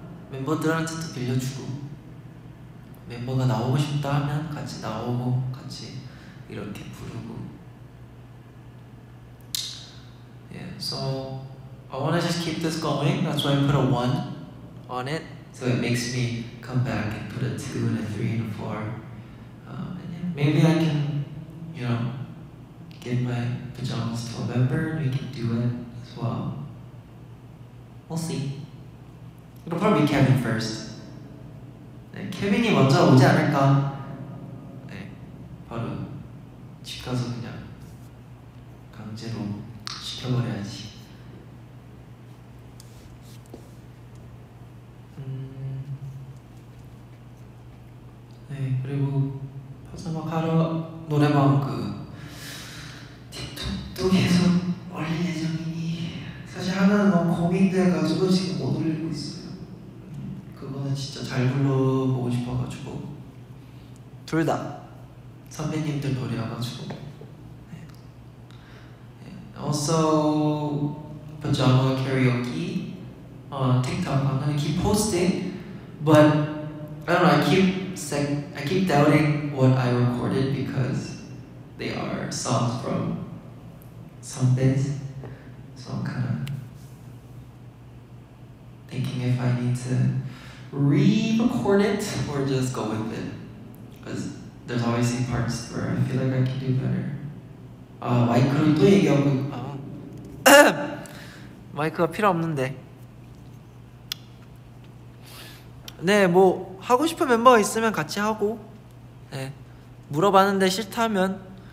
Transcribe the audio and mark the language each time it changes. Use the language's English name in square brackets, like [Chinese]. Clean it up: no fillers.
[Korean] 멤버들한테도 빌려주고 멤버가 나오고 싶다 하면 같이 나오고 같이 이렇게 부르고 [English] yeah, so I wanna just keep this going that's why I put a 1 on it so it makes me come back and put a 2 and a 3 and a 4 and yeah, maybe I can you know get my pajamas to November and we can do it as well we'll see It'll probably be Kevin first. [Korean] 네, 케빈이 먼저 오지 않을까? 네, 바로 집 가서 그냥 강제로 시켜버려야지. 네, 그리고 파자마 가러 노래방 그 틱톡도 계속 올릴 예정이니 사실 하나는 너무 고민돼가지고 지금 못 올리고 있어요. 그거는 진짜 잘 불러보고 싶어가지고 둘 다 선배님들 노래여가지고 네. [English] Also pajama karaoke on TikTok I'm gonna keep posting but I don't know I keep doubting what I recorded because they are songs from somethings so I'm kinda thinking if I need to re-record it or just go with it because there's always some parts where I feel like I can do better [Korean] 아 마이크를 또 얘기하고 아 마이크가 필요 없는데 네 뭐 하고 싶은 멤버가 있으면 같이 하고 네 물어봤는데 싫다면